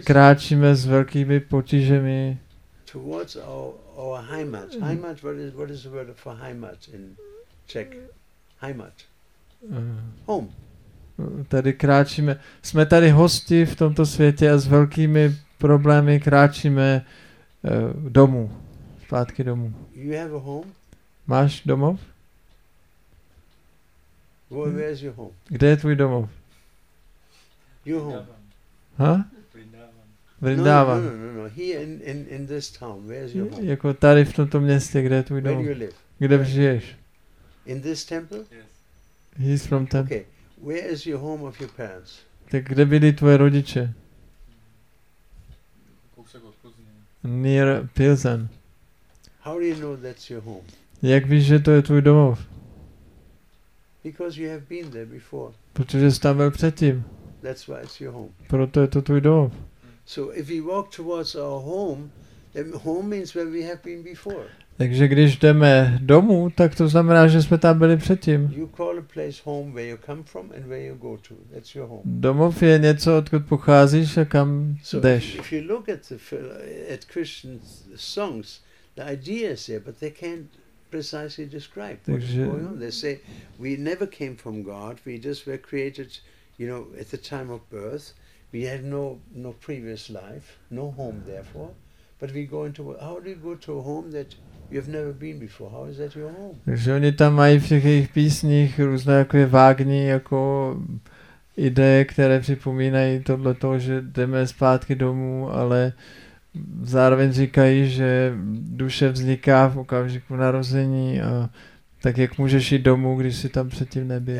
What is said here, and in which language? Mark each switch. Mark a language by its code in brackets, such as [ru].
[cs] kráčíme s velkými potížemi. [en] Towards our Heimat. Heimat, what is the word for Heimat in Czech? Heimat. Home. [cs] Tady kráčíme. Jsme tady hosti v tomto světě a s velkými problémy kráčíme domů. Zpátky domů. [en] You have a home? [cs] Máš domov? [en] Where is your home? [cs] Kde je tvůj domov? [en] Your home. Huh? [cs] Vrindavan. No. [en] Here in this town, where is your home? [cs] Jako tady v tomto městě, kde je tvůj domov? [en] Where do you live? [cs] Kde žiješ? [en] In this temple? Yes. He's from temple. Okay. Where is your home of your parents? [cs] Tak kde byli tvoje rodiče? Kousek od Plzně. [en] Near Pilsen. How do you know that's your home? [cs] Jak víš, že to je tvůj domov? [en] Because you have been there before. [cs] Protože jsi tam byl předtím. [en] That's why it's your home. [cs] Proto je to tvůj domov. [en] So if we walk towards our home, then home means where we have been before. [cs] Takže když jdeme domů, tak to znamená, že jsme tam byli předtím. [en] You call a place home where you come from and where you go to. That's your home. [cs] Domov je něco, odkud pocházíš a kam jdeš. [en] If you look at Christian songs, the idea is there, but they can't precisely describe what's going on. They say we never came from God. We just were created, you know, at the time of birth. We had no previous life, no home, therefore. But we go into, how do you go to a home that you have never been before? How is that your home? [cs] Takže oni tam mají v těch jejich písních různé jako vágní jako ideje, které připomínají tohle to, že jdeme zpátky domů, ale zároveň říkají, že duše vzniká v okamžiku narození, a tak jak můžeš jít domů, když jsi tam předtím nebyl?